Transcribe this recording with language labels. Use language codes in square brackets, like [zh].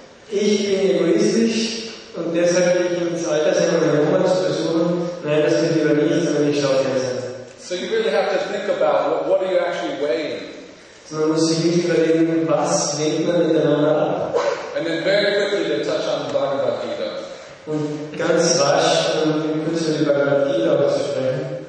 [de] Ich bin egoistisch und deshalb gehe ich ins Altersheim, um meine Oma zu besuchen. Nein, das bin lieber nicht, sondern ich schaue Fernsehen. [en] So you really have to think about what are you actually weighing. [de] So man muss sich nicht überlegen, was wägt man miteinander ab. [en] And then very quickly to touch on the Bhagavad Gita. [de] Und ganz rasch, um kurz über die Bhagavad Gita zu sprechen.